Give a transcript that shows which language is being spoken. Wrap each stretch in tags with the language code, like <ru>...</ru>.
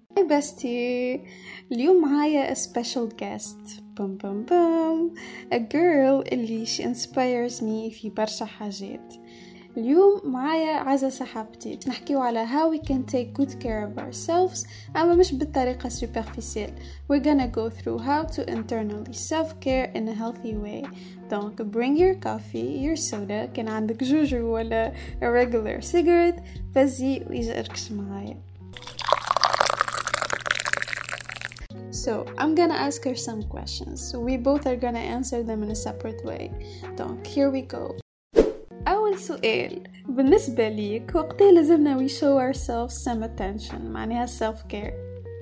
<ar>بستي اليوم معايا</ar> <en>a special guest</en> <ar>بوم بوم بوم a girl اللي</ar> <en>she inspires me</en> <ar>في برشا حاجات. اليوم معايا عزة صاحبتي, نحكيو على</ar> <en>how we can take good care of ourselves</en> <ar>اما مش بالطريقة superficial.</ar> <en>We're gonna go through how to internally self-care in a healthy way. Don't bring your coffee, your soda,</en> <ar>كان عندك جوجو ولا</ar> <en>a regular cigarette,</en> <ar>بزي ويجركش معايا.</ar> <en>So, I'm gonna ask her some questions. We both are gonna answer them in a separate way. Donc, here we go.</en> <ar>أول سؤال, بالنسبة ليك, وقتها لازمنا</ar> <en>we show ourselves some attention,</en> <ar>معناها self-care.</ar>